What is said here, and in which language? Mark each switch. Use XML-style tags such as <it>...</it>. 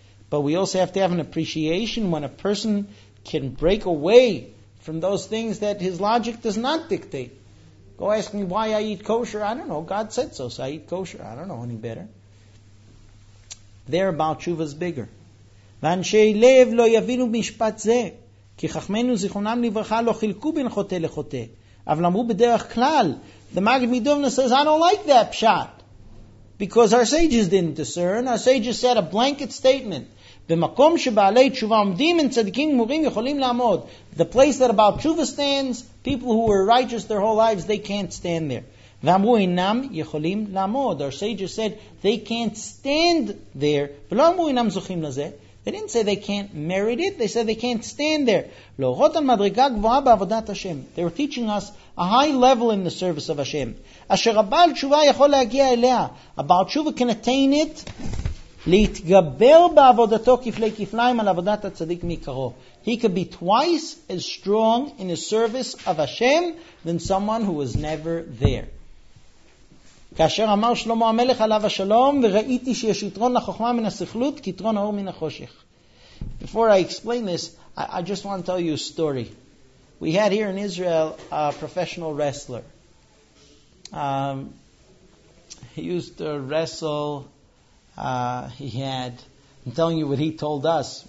<en>But we also have to have an appreciation when a person can break away from those things that his logic does not dictate. Go ask me why I eat kosher. I don't know. God said so. So I eat kosher. I don't know any better. There, about tshuva is bigger.</en> <he>V'anshei lev lo yavinu mishpat zeh. כי חכמנו זיכרונם לברכה לא חילקו בין חוטא לחוטא, אבל אמרו בדרך כלל.</he> <en>The Magid Midovna says, I don't like that pshat, because our sages didn't discern. Our sages said a blanket statement.</en> <he>במקום שבעלי תשובה עומדים אין צדיקים גמורים יכולים לעמוד.</he> <en>The place that about tshuva stands, people who were righteous their whole lives, they can't stand there.</en> <he>ואמרו אינם יכולים לעמוד.</he> <en>Our sages said, they can't stand there.</en> <he>ולא אמרו אינם זוכים לזה.</he> <en>They didn't say they can't merit it. They said they can't stand there.</en> <he>לאורות על מדרגה גבוהה בעבודת השם.</he> <en>They were teaching us a high level in the service of Hashem.</en> <he>אשר הבעל תשובה יכול להגיע אליה.</he> <en>הבעל תשובה can attain it.</en> <he>להתגבר בעבודתו כפלי כפליים על עבודת הצדיק מעיקרו.</he> <en>He could be twice as strong in the service of Hashem than someone who was never there.</en> <he>כאשר אמר שלמה המלך עליו השלום, וראיתי שיש יתרון לחוכמה מן השכלות, כיתרון האור מן החושך.</he> <en>Before I explain this, I just want to tell you a story. We had here in Israel a professional wrestler. He used to wrestle. I'm telling you what he told us.</en>